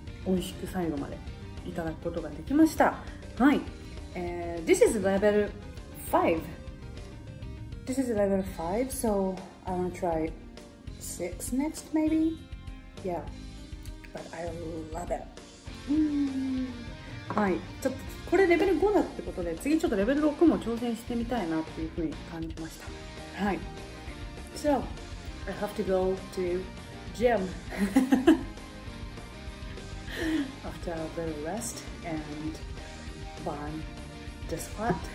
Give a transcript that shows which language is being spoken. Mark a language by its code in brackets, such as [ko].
[ja] ちゃんとごまとエビの味もして、本当担々麺みたいな味で結構美味しく最後までいただくことができました。 [en] はい、This is level 5. This is level 5, so I want to try 6 next maybe? Yeah, but I love it. [ja] はい、ちょっとこれレベル5だってことで、次ちょっとレベル6も挑戦してみたいなっていうふうに感じました。はい。 [en] So, I have to go to gym after a little rest and burn the spot.